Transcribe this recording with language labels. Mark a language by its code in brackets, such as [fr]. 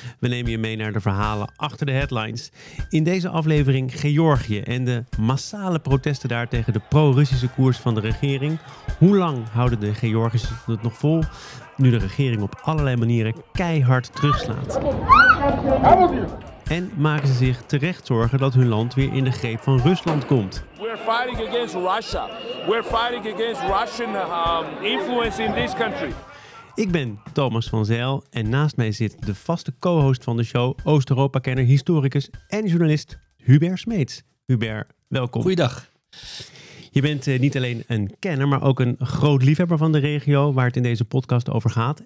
[nl] We nemen je mee naar de verhalen achter de headlines. In deze aflevering Georgië en de massale protesten daar tegen de pro-Russische koers van de regering. Hoe lang houden de Georgiërs het nog vol, nu de regering op allerlei manieren keihard terugslaat? En maken ze zich terecht zorgen dat hun land weer in de greep van Rusland komt. [en] We're fighting against Russia. We're fighting against Russian influence in this country. [nl] Ik ben Thomas van Zijl en naast mij zit de vaste co-host van de show, Oost-Europa-kenner, historicus en journalist Hubert Smeets. Hubert, welkom. Goeiedag. Je bent niet alleen een kenner, maar ook een groot liefhebber van de regio waar het in deze podcast over gaat.